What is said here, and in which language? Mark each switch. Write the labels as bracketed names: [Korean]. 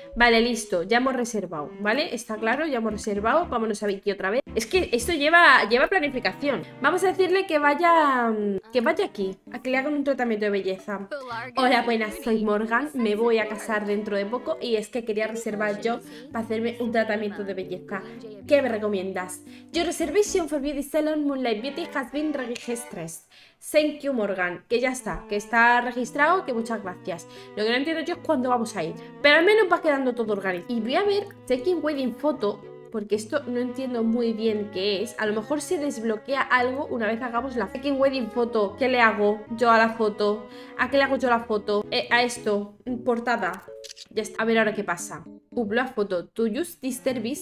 [Spanish] Vale, listo, ya hemos reservado, ¿vale? Está claro, ya hemos reservado, vámonos a Vicky otra vez. Es que esto lleva planificación. Vamos a decirle que vaya aquí, a que le hagan un tratamiento de belleza. Hola, buenas, soy Morgan, me voy a casar dentro de poco y es que quería reservar yo para hacerme un tratamiento de belleza. ¿Qué me recomiendas? [English] Your reservation for Beauty Salon Moonlight Beauty has been registered. Thank you, Morgan. [Spanish] Que ya está, que está registrado, que muchas gracias. Lo que no entiendo yo es cuándo vamos a ir, pero al menos va quedando todo organizado. Y voy a ver Taking Wedding Photo, porque esto no entiendo muy bien qué es. A lo mejor se desbloquea algo una vez hagamos la Taking Wedding Photo. ¿Qué le hago yo a la foto? ¿A qué le hago yo la foto? A esto, portada. Ya está, a ver ahora qué pasa. [English] Upload photo, to use this service.